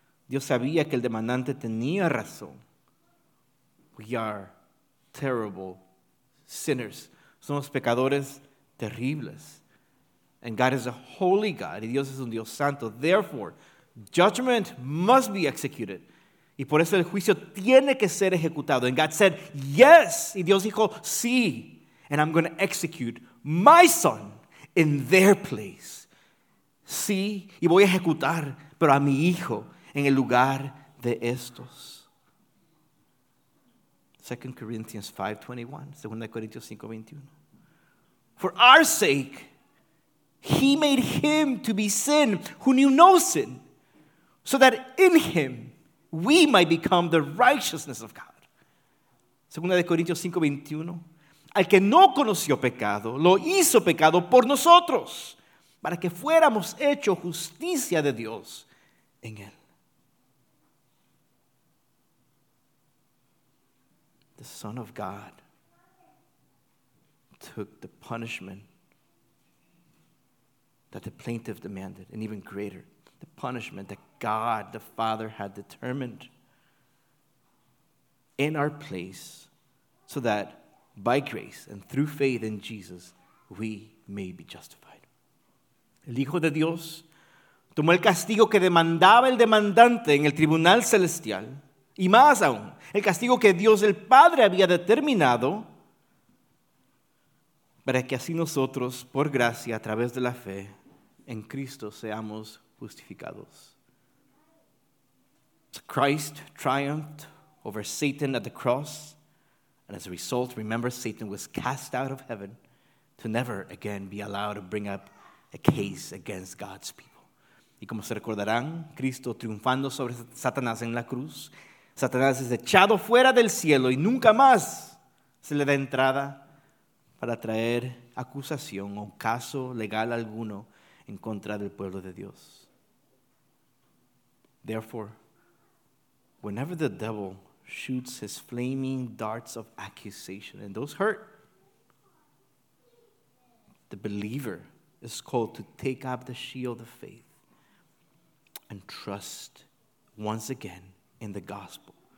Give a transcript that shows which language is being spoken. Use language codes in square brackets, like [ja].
[es] Dios sabía que el demandante tenía razón. [en] We are terrible sinners. [es] Somos pecadores terribles. [en] And God is a holy God. [es] Y Dios es un Dios santo. [en] Therefore, judgment must be executed. [es] Y por eso el juicio tiene que ser ejecutado. [en] And God said, yes. [es] Y Dios dijo, sí. [en] And I'm going to execute my son in their place. [es] Sí. Y voy a ejecutar, pero a mi hijo en el lugar de estos. [en] 2 Corinthians 5:21. 2 Corinthians 5:21. For our sake, he made him to be sin who knew no sin, so that in him we might become the righteousness of God. [es] 2 Corintios 5:21. Al que no conoció pecado, lo hizo pecado por nosotros, para que fuéramos hecho justicia de Dios en él. [en] The Son of God took the punishment that the plaintiff demanded, and even greater, the punishment that God the Father had determined in our place, so that by grace and through faith in Jesus, we may be justified. [es] El Hijo de Dios tomó el castigo que demandaba el demandante en el tribunal celestial, y más aún, el castigo que Dios el Padre había determinado, para que así nosotros, por gracia, a través de la fe en Cristo, seamos justificados. [en] So Christ triumphed over Satan at the cross, and as a result, remember, Satan was cast out of heaven to never again be allowed to bring up a case against God's people. [es] Y como se recordarán, Cristo triunfando sobre Satanás en la cruz, Satanás es echado fuera del cielo y nunca más se le da entrada para traer acusación o caso legal alguno en contra del pueblo de Dios. [en] Therefore, whenever the devil shoots his flaming darts of accusation, and those hurt, the believer is called to take up the shield of faith and trust once again in the gospel.